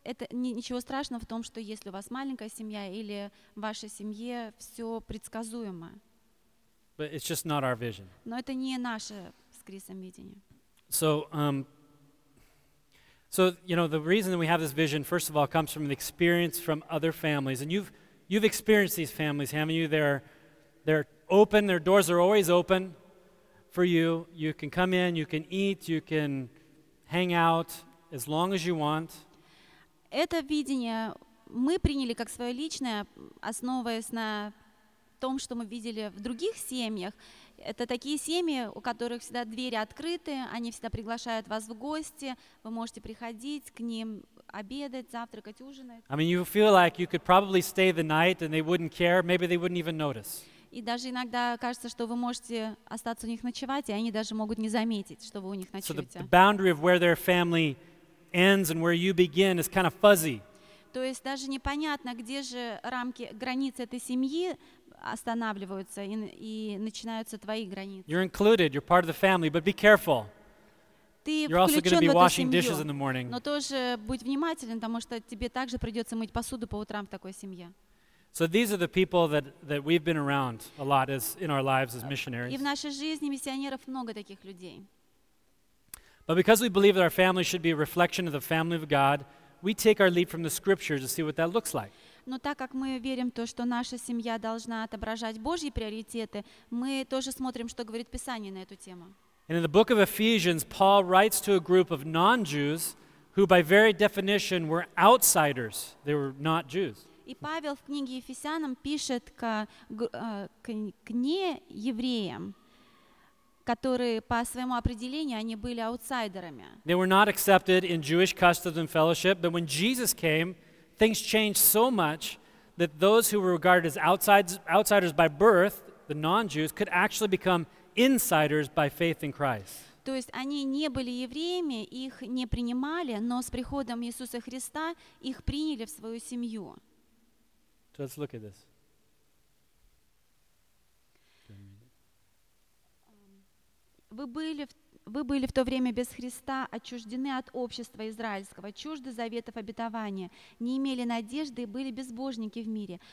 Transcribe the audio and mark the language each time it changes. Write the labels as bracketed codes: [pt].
[ru] Ничего страшного в том, что если у вас маленькая семья или в вашей семье все предсказуемо. [en] But it's just not our vision. [ru] Но это не наше с Крисом видение. [en] So, you know, the reason that we have this vision, first of all, comes from the experience from other families. And you've experienced these families, haven't you? They're open, their doors are always open for you. You can come in, you can eat, you can hang out as long as you want. [ru] Это видение мы приняли как свое личное, основываясь на том, что мы видели в других семьях. Это такие семьи, у которых всегда двери открыты, они всегда приглашают вас в гости, вы можете приходить к ним, обедать, завтракать, ужинать. [en] I mean, you feel like you could probably stay the night and they wouldn't care, maybe they wouldn't even notice. [ru] И даже иногда кажется, что вы можете остаться у них ночевать, и они даже могут не заметить, что вы у них ночуете. [en] So the boundary of where their family ends and where you begin is kind of fuzzy. [ru] То есть даже непонятно, где же рамки, границы этой семьи останавливаются и начинаются твои границы. [en] You're included, you're part of the family, but be careful. [ru] Ты [en] you're also going to be washing [ru] семью, [en] dishes in the morning. [ru] Но тоже будь внимателен, потому что тебе также придется мыть посуду по утрам в такой семье. [en] So these are the people that we've been around a lot as in our lives as missionaries. [ru] И в нашей жизни миссионеров много таких людей. [en] But because we believe that our family should be a reflection of the family of God, we take our lead from the scriptures to see what that looks like. [ru] Но так как мы верим в то, что наша семья должна отображать Божьи приоритеты, мы тоже смотрим, что говорит Писание на эту тему. [en] And in the book of Ephesians, Paul writes to a group of non-Jews who by very definition were outsiders. They were not Jews. [ru] И Павел в книге Ефесянам пишет к неевреям, которые по своему определению они были аутсайдерами. [en] They were not accepted in Jewish customs and fellowship, but when Jesus came, things changed so much that those who were regarded as outsiders by birth, the non-Jews, could actually become insiders by faith in Christ. [ru] То есть они не были евреями, их не принимали, но с приходом Иисуса Христа их приняли в свою семью. [en] So let's look at this. [ru] Вы были в то время без Христа, отчуждены от общества израильского, чужды заветов обетования, не имели надежды и были безбожники в мире.